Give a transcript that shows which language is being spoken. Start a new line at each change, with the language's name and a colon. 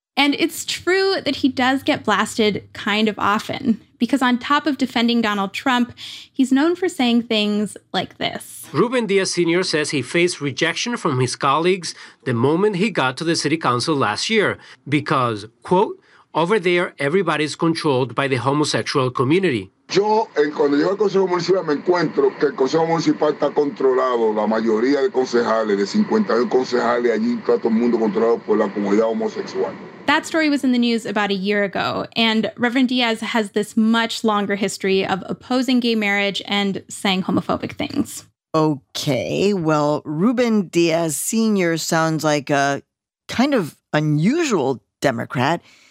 English: And it's true that he does get blasted kind of often, because on top of defending Donald Trump, he's known for saying things like this. Ruben Diaz Sr. says he faced rejection from his colleagues the moment he got to the city council last year because, quote, over there, everybody's controlled by the homosexual community.
Spanish: Yo, cuando llego al Consejo Municipal, me encuentro que el Consejo Municipal está controlado. La mayoría de concejales, de 51 concejales, allí está todo el mundo controlado por la comunidad homosexual.
English: That story was in the news about a year ago, and Reverend Diaz has this much longer history of opposing gay marriage and saying homophobic things. Okay, well, Ruben Diaz Sr. sounds like a kind of unusual Democrat.